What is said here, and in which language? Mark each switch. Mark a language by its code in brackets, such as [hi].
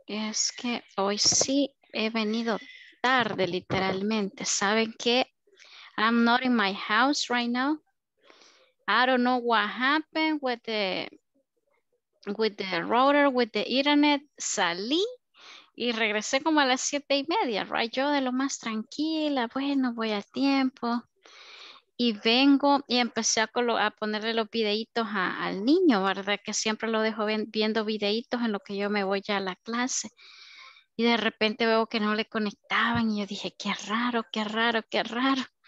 [es] Es que hoy sí he venido tarde, literalmente. ¿Saben qué? [en] I'm not in my house right now. I don't know what happened with the router, with the internet. [es] Salí y regresé como a las 7:30, right? Yo de lo más tranquila, bueno, voy a tiempo. Y vengo y empecé a ponerle los videitos al niño, ¿verdad? Que siempre lo dejo viendo videitos en lo que yo me voy ya a la clase. Y de repente veo que no le conectaban y yo dije, qué raro, qué raro, qué raro.